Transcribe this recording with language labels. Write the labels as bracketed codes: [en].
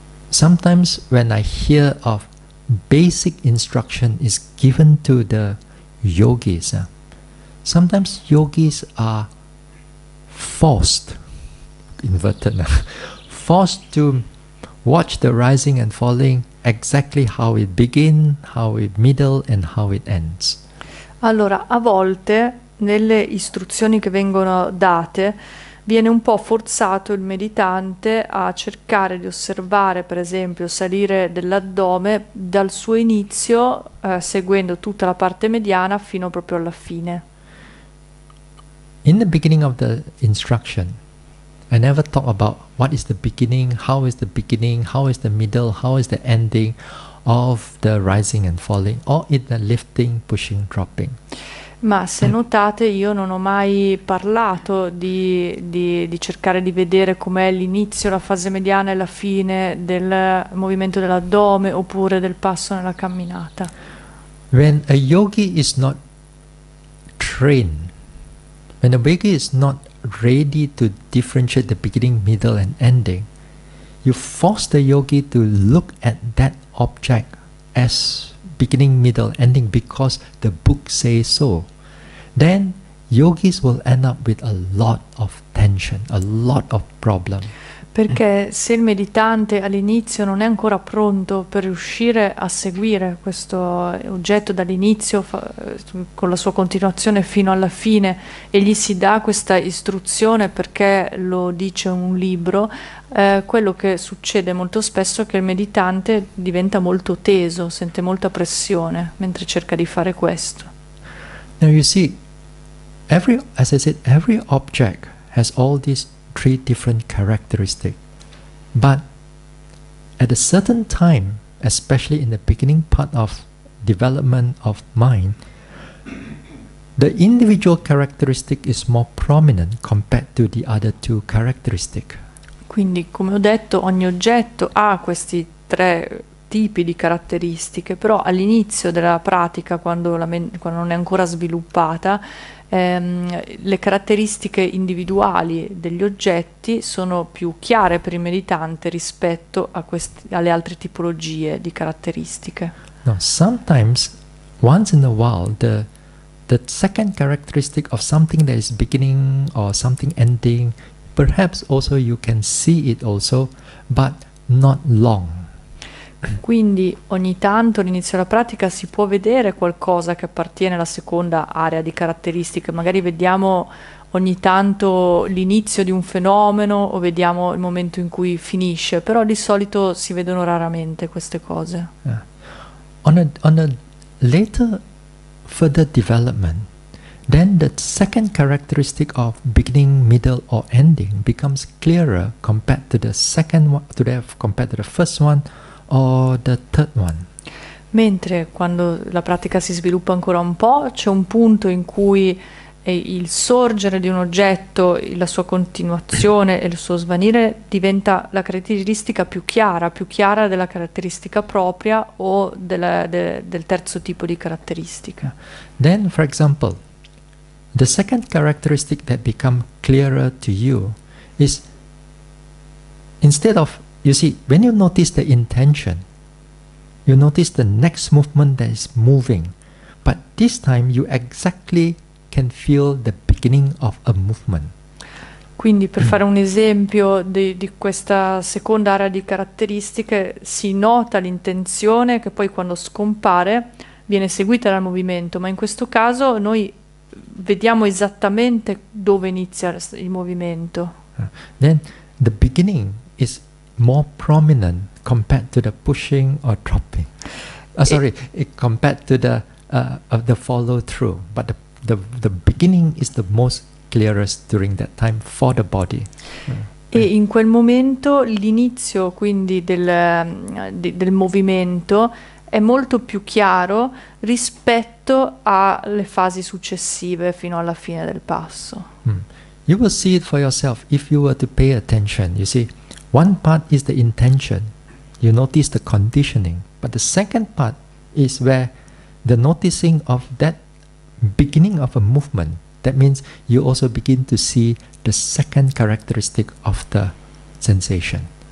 [en] sometimes when I hear of basic instruction is given to the yogis, sometimes yogis are forced, inverted, forced to watch the rising and falling exactly how it begin, how it middle and how it ends. [it] Allora, a volte nelle istruzioni che vengono date viene un po' forzato il meditante a cercare di osservare, per esempio, salire dell'addome dal suo inizio, seguendo tutta la parte mediana fino proprio alla fine. [en] In the beginning of the instruction, I never talk about what is the beginning, how is the beginning, how is the middle, how is the ending of the rising and falling, or in the lifting, pushing, dropping. [it] Ma se notate io non ho mai parlato di cercare di vedere com'è l'inizio, la fase mediana e la fine del movimento dell'addome oppure del passo nella camminata. [en] When a yogi is not trained, when a yogi is not ready to differentiate the beginning, middle and ending, you force the yogi to look at that object as beginning, middle, ending because the book says so. Then yogis will end up with a lot of tension, a lot of problem. [it] Perché se il meditante all'inizio non è ancora pronto per riuscire a seguire questo oggetto dall'inizio con la sua continuazione fino alla fine e gli si dà questa istruzione perché lo dice un libro, quello che succede molto spesso è che il meditante diventa molto teso, sente molta pressione mentre cerca di fare questo. [en] Now you see, every, as I said, every object has all these three different characteristics. But at a certain time, especially in the beginning part of development of mind, the individual characteristic is more prominent compared to the other two characteristics. [it] Quindi, come ho detto, ogni oggetto ha questi tre tipi di caratteristiche, però all'inizio della pratica, quando non è ancora sviluppata, le caratteristiche individuali degli oggetti sono più chiare per il meditante rispetto alle altre tipologie di caratteristiche. [en] Now, sometimes once in a while, the second characteristic of something that is beginning or something ending, perhaps also you can see it also, but not long. [it] Quindi ogni tanto all'inizio della pratica si può vedere qualcosa che appartiene alla seconda area di caratteristiche. Magari vediamo ogni tanto l'inizio di un fenomeno o vediamo il momento in cui finisce, però di solito si vedono raramente queste cose. [en] Yeah. On a later further development, then the second characteristic of beginning, middle or ending becomes clearer compared to the second one, compared to the first one. Or the third one. [it] Mentre quando la pratica si sviluppa ancora un po', c'è un punto in cui il sorgere di un oggetto, la sua continuazione e il suo svanire diventa la caratteristica più chiara della caratteristica propria o del terzo tipo di caratteristica. [en] Then, for example, the second characteristic that becomes clearer to you is instead of you see, when you notice the intention, you notice the next movement that is moving. But this time you exactly can feel the beginning of a movement. [it] Quindi per fare un esempio di questa seconda area di caratteristiche, si nota l'intenzione che poi quando scompare viene seguita dal movimento, ma in questo caso noi vediamo esattamente dove inizia il movimento. [en] Then the beginning is more prominent compared to the pushing or dropping. Compared to the follow through. But the beginning is the most clearest during that time for the body. [it] E in quel momento l'inizio quindi del movimento è molto più chiaro rispetto alle fasi successive fino alla fine del passo. [en] You will see it for yourself if you were to pay attention. You see, one part is the intention, you notice the conditioning, but the second part is where the noticing of that beginning of a movement, that means you also begin to see the second characteristic of the sensation.